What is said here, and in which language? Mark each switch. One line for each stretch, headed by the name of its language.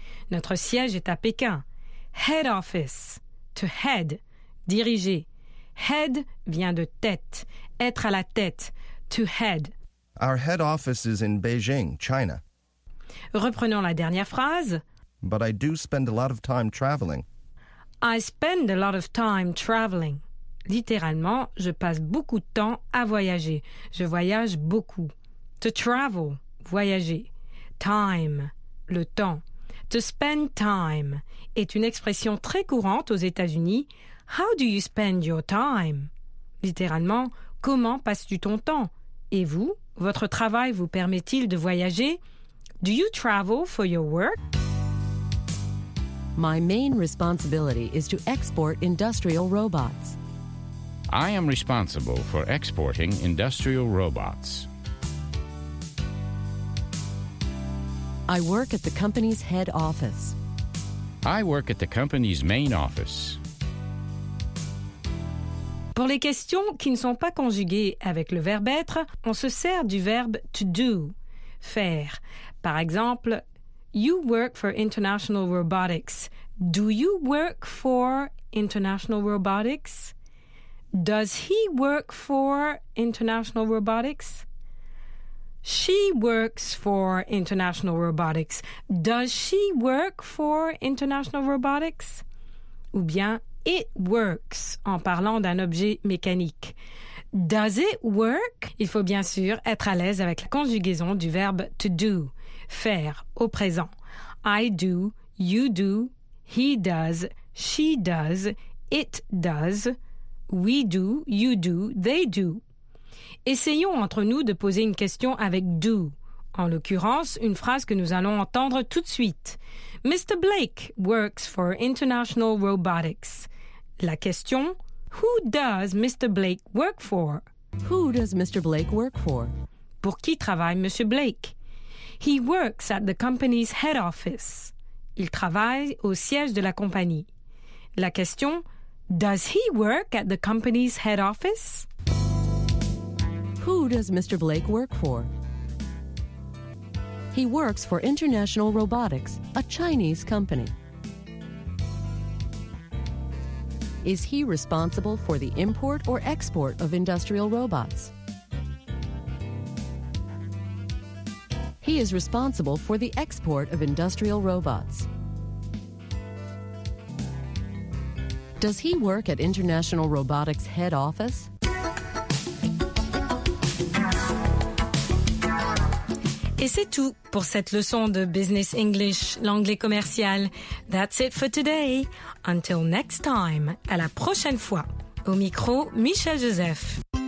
French: Notre siège est à Pékin.
English: Head office, to head.
French: Diriger. Head vient de tête. Être à la tête.
English: To head. Our head office is in Beijing, China.
French: Reprenons la dernière phrase.
English: But I do spend a lot of time traveling. I spend a lot of time traveling.
French: Littéralement, je passe beaucoup de temps à voyager. Je voyage beaucoup. To travel, voyager. Time, le temps.
English: To spend time
French: est une expression très courante aux États-Unis.
English: How do you spend your time?
French: Littéralement, comment passes-tu ton temps? Et vous, votre travail vous permet-il de voyager?
English: Do you travel for your work? My main responsibility is to export industrial robots. I am responsible for exporting industrial robots. I work at the company's head office. I work at the company's main office.
French: Pour les questions qui ne sont pas conjuguées avec le verbe être, on se sert du verbe to do, faire. Par exemple,
English: You work for International Robotics. Do you work for International Robotics? Does he work for International Robotics? She works for International Robotics. Does she work for International Robotics?
French: Ou bien,
English: it works,
French: en parlant d'un objet mécanique.
English: Does it work?
French: Il faut bien sûr être à l'aise avec la conjugaison du verbe to do, faire, au présent.
English: I do, you do, he does, she does, it does, we do, you do, they do.
French: Essayons entre nous de poser une question avec « do ». En l'occurrence, une phrase que nous allons entendre tout de suite.
English: « Mr. Blake works for International Robotics ».
French: La question
English: « Who does Mr. Blake work for ?»« Who does Mr. Blake work for ?»
French: Pour qui travaille Monsieur Blake ?«
English: He works at the company's head office ».
French: Il travaille au siège de la compagnie. La question
English: « Does he work at the company's head office ?» Who does Mr. Blake work for? He works for International Robotics, a Chinese company. Is he responsible for the import or export of industrial robots? He is responsible for the export of industrial robots. Does he work at International Robotics head office?
French: Et c'est tout pour cette leçon de Business English, l'anglais commercial.
English: That's it for today. Until next time,
French: à la prochaine fois. Au micro, Michel Joseph.